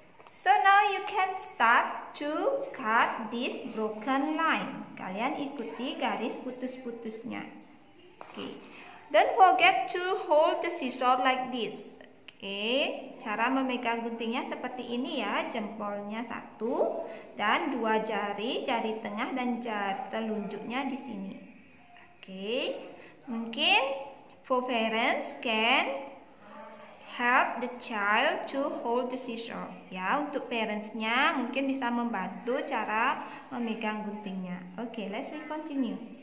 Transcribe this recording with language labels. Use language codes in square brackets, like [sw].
[en] So now you can start to cut this broken line. [id] Kalian ikuti garis putus-putusnya. Okay. [en] Don't forget to hold the scissors like this. Okay. [id] Cara memegang guntingnya seperti ini ya. Jempolnya satu dan dua jari, jari tengah dan jari telunjuknya di sini. [en] Okay. [id] Mungkin [en] for parents can help the child to hold the scissors. [id] Ya, untuk parentsnya mungkin bisa membantu cara memegang guntingnya. [en] Okay, let's we continue.